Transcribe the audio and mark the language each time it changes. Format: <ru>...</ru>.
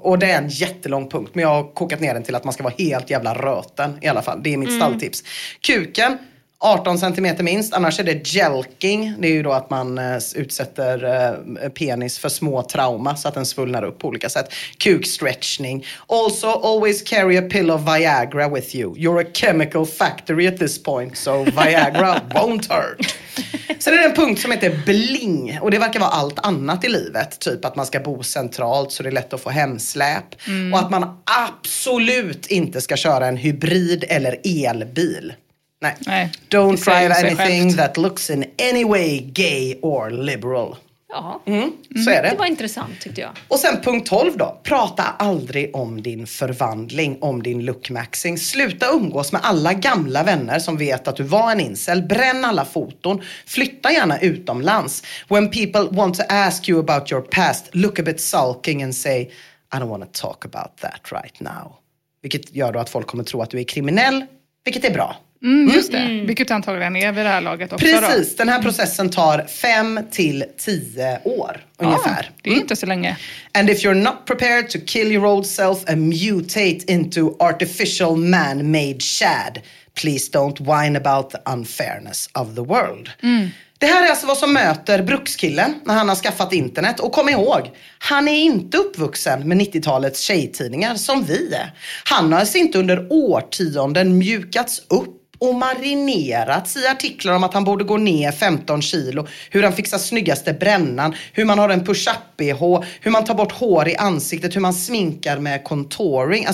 <sv>Och det är en jättelång punkt, men jag har kokat ner den till att man ska vara helt jävla röten i alla fall. Det är mitt stalltips. Kuken, 18 cm minst, annars är det jelking. Det är ju då att man utsätter penis för små trauma så att den svullnar upp på olika sätt. Kukstretchning.</sv> <en>Also, always carry a pill of Viagra with you. You're a chemical factory at this point, so Viagra won't hurt.</en> <sv>Sen är det en punkt som heter bling. Och det verkar vara allt annat i livet. Typ att man ska bo centralt så det är lätt att få hemsläp. Mm. Och att man absolut inte ska köra en hybrid eller elbil. Nej.</sv> <en>Don't drive anything that looks in any way gay or liberal.</en> <sv>Ja, så är det. Det var intressant tyckte jag. Och sen punkt 12 då. Prata aldrig om din förvandling, om din lookmaxing. Sluta umgås med alla gamla vänner som vet att du var en incel. Bränn alla foton. Flytta gärna utomlands.</sv> <en>When people want to ask you about your past, look a bit sulking and say, I don't want to talk about that right now.</en> <sv>Vilket gör då att folk kommer tro att du är kriminell, vilket är bra. Just det, vilket antagligen är vid det här laget också. Precis, då. Den här processen tar 5-10 år ungefär. Det är inte så länge.</sv> <en>And if you're not prepared to kill your old self and mutate into artificial man-made Chad, please don't whine about the unfairness of the world.</en> <sv>Det här är alltså vad som möter brukskillen när han har skaffat internet. Och kom ihåg, han är inte uppvuxen med 90-talets tjejtidningar som vi är. Han har alltså inte under årtionden mjukats upp och marinerats i artiklar om att han borde gå ner 15 kilo, hur han fixar snyggaste brännan, hur man har en push-up-BH, hur man tar bort hår i ansiktet, hur man sminkar med contouring.</sv>